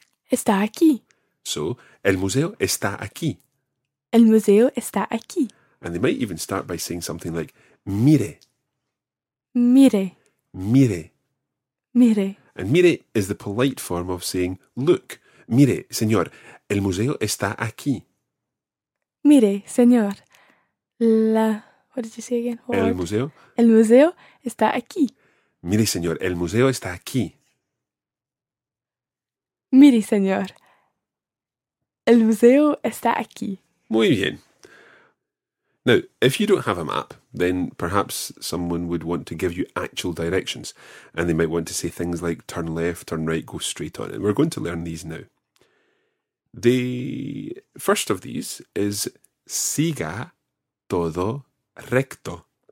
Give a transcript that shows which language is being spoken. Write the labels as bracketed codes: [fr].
[es] Está aquí. So, el museo está aquí. El museo está aquí. [en] And they might even start by saying something like, mire. [es] Mire. Mire. Mire. [en] And mire is the polite form of saying, look. [es] Mire, señor, el museo está aquí. Mire, señor, la... [en] What did you say again? [es] Word. El museo. El museo está aquí. Mire, señor, el museo está aquí. Mire, señor, el museo está aquí. Muy bien. [en] Now, if you don't have a map, then perhaps someone would want to give you actual directions. And they might want to say things like turn left, turn right, go straight on. And we're going to learn these now. The first of these is [es] siga todo recto.